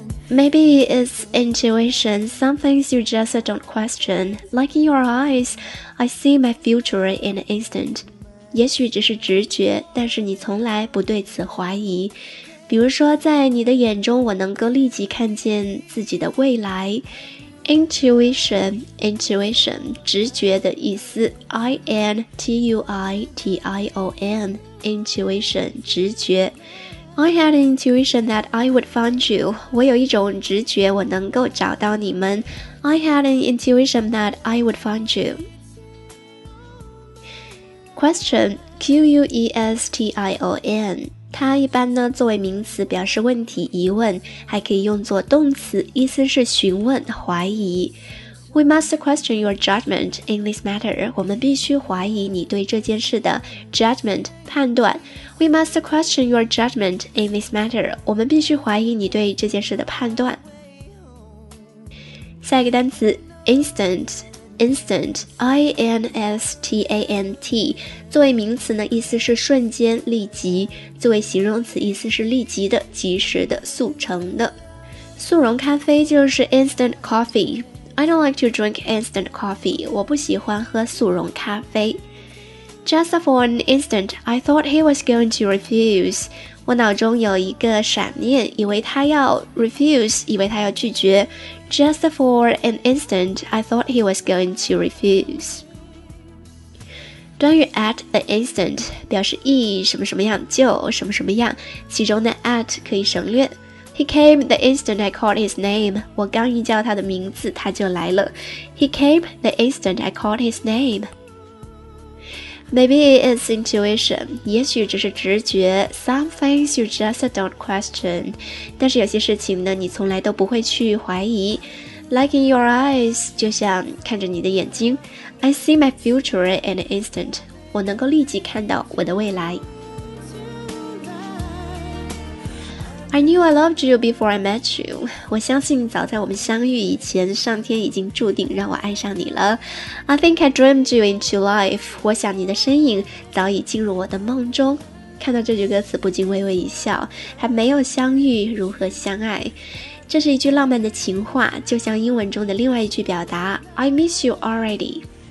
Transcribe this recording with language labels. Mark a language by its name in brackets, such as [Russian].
[English] Maybe it's intuition, some things you just don't question. Like in your eyes, I see my future in an instant. [Chinese] 也许只是直觉，但是你从来不对此怀疑。比如说在你的眼中，我能够立即看见自己的未来。 Intuition, 直觉的意思。 I-N-T-U-I-T-I-O-N, intuition, 直觉。 [English] I had an intuition that I would find you. [Chinese] 我有一种直觉我能够找到你们。 [English] I had an intuition that I would find you. [Chinese] Question, Q-U-E-S-T-I-O-N, 它一般呢作为名词表示问题疑问，还可以用作动词，意思是询问怀疑。 [English] We must question your judgment in this matter. [Chinese] 我们必须怀疑你对这件事的 judgment, 判断。 [English] We must question your judgment in this matter. [Chinese] 我们必须怀疑你对这件事的判断。下一个单词 instant, I-N-S-T-A-N-T, 作为名词呢意思是瞬间立即，作为形容词意思是立即的，即时的，速成的。速溶咖啡就是 [English] instant coffee,I don't like to drink instant coffee. [Chinese] 我不喜欢喝速溶咖啡。 [English] Just for an instant, I thought he was going to refuse. [Chinese] 我脑中有一个闪念，以为他要 refuse, 以为他要拒绝。 [English] Just for an instant, I thought he was going to refuse. [Chinese] 短语 at the instant 表示一什么什么样就什么什么样，其中的 at 可以省略。 [English] He came the instant I called his name. [Chinese] 我刚一叫他的名字，他就来了。 [English] He came the instant I called his name. Maybe it's intuition. [Chinese] 也许只是直觉。 [English] Some things you just don't question. [Chinese] 但是有些事情呢，你从来都不会去怀疑。 [English] Like in your eyes, [Chinese] 就像看着你的眼睛。 [English] I see my future in an instant. [Chinese] 我能够立即看到我的未来。 [English] I knew I loved you before I met you. [Chinese] 我相信早在我们相遇以前，上天已经注定让我爱上你了。 [English] I think I dreamed you into life. [Chinese] 我想你的身影早已进入我的梦中。看到这句歌词不禁微微一笑，还没有相遇如何相爱？这是一句浪漫的情话，就像英文中的另外一句表达 [English] I miss you already.